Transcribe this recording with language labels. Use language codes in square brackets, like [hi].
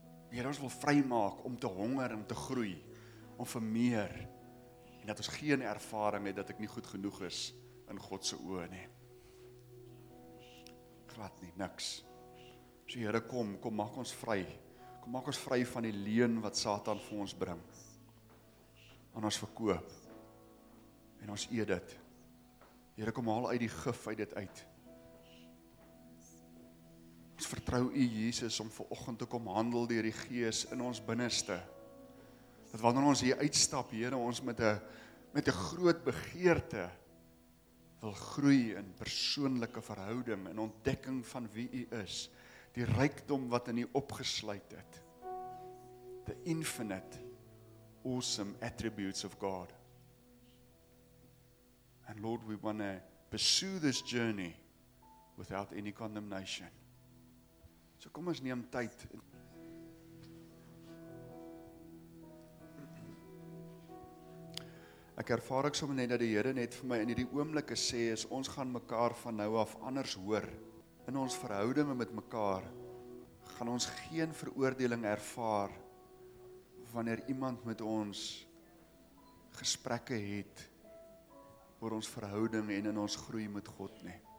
[af] Die Here ons wil vrymaak om te honger, om te groei, om vir meer, en dat ons geen ervaring het dat ek nie goed genoeg is in God se oë nie. Glad nie, niks. So Here, kom maak ons vry. Kom maak ons vry van die leuen wat Satan vir ons bring. Aan ons verkoop. En ons eet dit. Here, kom haal uit die gif uit dit uit. Ons vertrou U, Jesus, om vanoggend te kom handel deur die Gees in ons binneste. Dat wanneer ons hier uitstap, Here, ons met 'n groot begeerte wil groei in persoonlike verhouding, in ontdekking van wie U is. Die rykdom wat in U opgesluit het. [en] The infinite, awesome attributes of God. And Lord, we want to pursue this journey without any condemnation. [af] So kom ons neem tyd. Ek ervaar ek sommer net dat die Here net vir my in hierdie oomblikke sê, is ons gaan mekaar van nou af anders hoor. In ons verhoudinge met mekaar gaan ons geen veroordeling ervaar wanneer iemand met ons gesprekke het oor ons verhouding en in ons groei met God nie.